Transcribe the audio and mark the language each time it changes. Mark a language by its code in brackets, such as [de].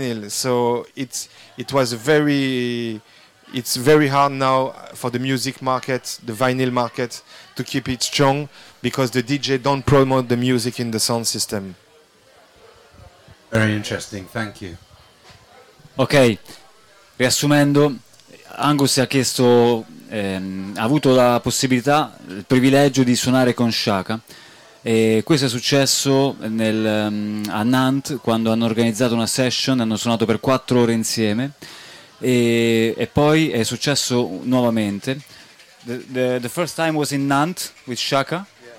[en] So it's very hard now for the music market, the vinyl market, to keep it strong, because the DJ don't promote the music in the sound system. Very interesting, thank you. [it] Ok, riassumendo, Angus ha chiesto, ha avuto la possibilità, il privilegio di suonare con Shaka. E questo è successo a Nantes, quando hanno organizzato una session, hanno suonato per 4 ore insieme, e poi è successo nuovamente. [en] The first time was in Nantes with Shaka, yeah.